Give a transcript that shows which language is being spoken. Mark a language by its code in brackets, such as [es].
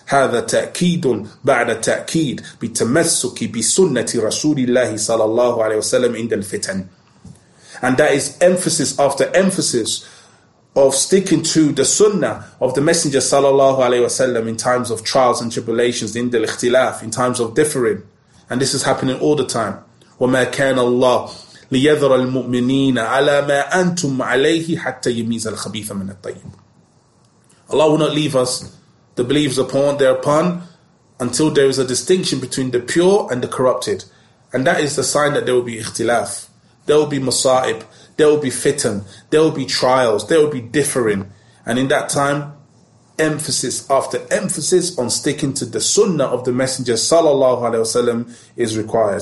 [ar] هذا تأكيد بعد تأكيد بتمسك بسنة رسول الله صلى الله عليه وسلم عند الفتن. [en] And that is emphasis after emphasis of sticking to the sunnah of the Messenger صلى الله عليه وسلم in times of trials and tribulations, [ar] عند الاختلاف, [en] in times of differing. And this is happening all the time. [ar] وما كان الله ليذر المؤمنين على ما أنتم عليه حتى يميز الخبيث من الطيب. [en] Allah will not leave us, the believers upon, thereupon, until there is a distinction between the pure and the corrupted. And that is the sign that there will be ikhtilaf. There will be masa'ib. There will be fitan. There will be trials. There will be differing. And in that time, emphasis after emphasis on sticking to the sunnah of the Messenger sallallahu alayhi wasallam is required.